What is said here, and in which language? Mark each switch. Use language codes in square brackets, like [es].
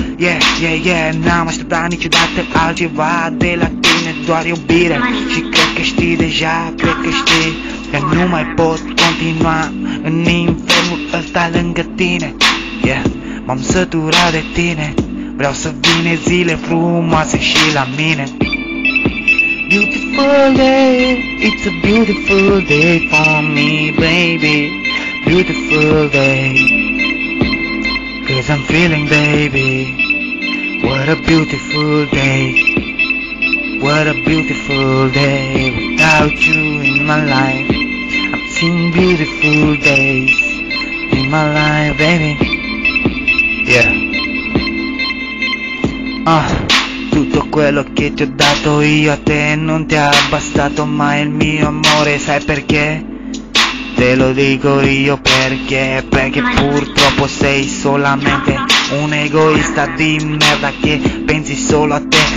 [ro] Yeah, yeah, yeah, n-am așteptat niciodată altceva de la tine, doar iubire. Și cred că știi deja, cred că știi că nu mai pot continua în infernul ăsta lângă tine. Yeah, m-am săturat de tine. Vreau să vine zile frumoase și la mine. [en] Beautiful day, it's a beautiful day for me, baby. Beautiful day, 'cause I'm feeling, baby. What a beautiful day, what a beautiful day without you in my life. I've seen beautiful days in my life, baby. Yeah. [it] Tutto quello che ti ho dato io a te non ti è bastato, ma il mio amore, sai perché? Te lo dico io perché, perché purtroppo sei solamente un egoista di merda che pensi solo a te.